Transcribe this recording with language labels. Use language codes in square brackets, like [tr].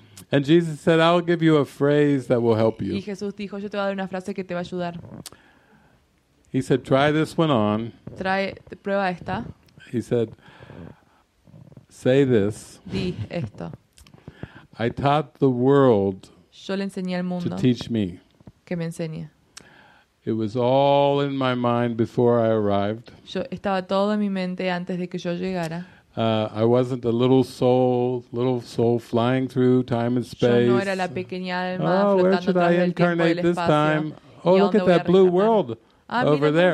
[en] And Jesus said, I'll give you a phrase that will help you. [es] Y Jesús dijo, yo te voy a dar una frase que te va a ayudar. [en] He said, try this one on. [es] Prueba esta. [en] He said, say this. [es] Di esto. [en] I taught the world [es] yo le enseñé al mundo [en] to teach me. [es] Que me enseñe. [en] It was all in my mind before I arrived. [es] Yo estaba todo en mi mente antes de que yo llegara. [en] I wasn't a little soul flying through time and space. [es] Yo no era la pequeña alma oh, flotando [en] where should I incarnate this time? Oh, look at that blue world over there.